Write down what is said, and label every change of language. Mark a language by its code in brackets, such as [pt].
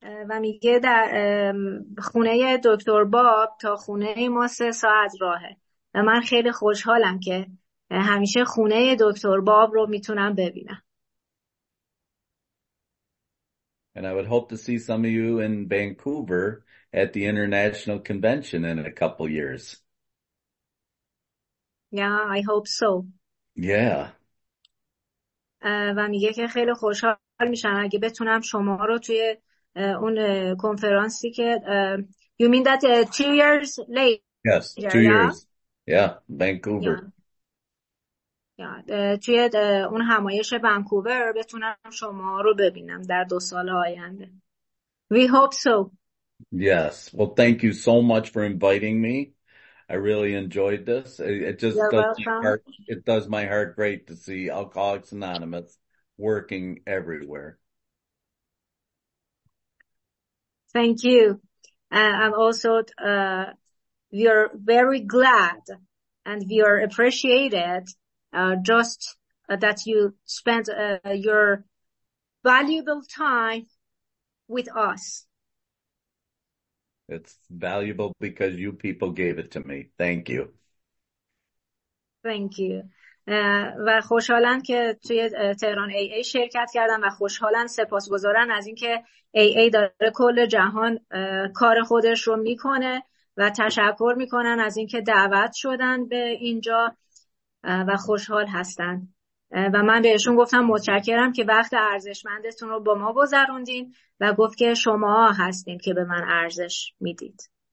[fa] و میگه در خونه دکتر باب تا خونه ما 3 ساعت راهه و من خیلی خوشحالم که همیشه خونه دکتر باب رو میتونم ببینم. [en] And I would hope to see some of you in Vancouver at the international convention in a couple years. Yeah, I hope so. Yeah. [fa] و میگه که خیلی خوشحال میشم اگه بتونم شما رو توی اون کنفرانسی که [en] you mean that 2 years later? Yes, two years. Yeah, Vancouver. [fa] توی اون همایش ونکوور بتونم شما رو ببینم در 2 سال آینده. [en] We hope so. Yes. Well, thank you so much for inviting me. I really enjoyed this. It just does my heart great to see Alcoholics Anonymous working everywhere. Thank you. I'm also, we are very glad and we are appreciated just that you spent your valuable time with us. It's valuable because you people gave it to me. Thank you. Thank you. [fa] و خوشحالم که توی تهران AA شرکت کردم و خوشحالم سپاسگزارم از اینکه AA داره کل جهان کار خودش رو میکنه و تشکر میکنن از اینکه دعوت شدن به اینجا و خوشحال هستن و من بهشون گفتم متشکرم که وقت ارزشمندتون رو با ما گذروندین و گفت که شما هستین که به من ارزش میدید.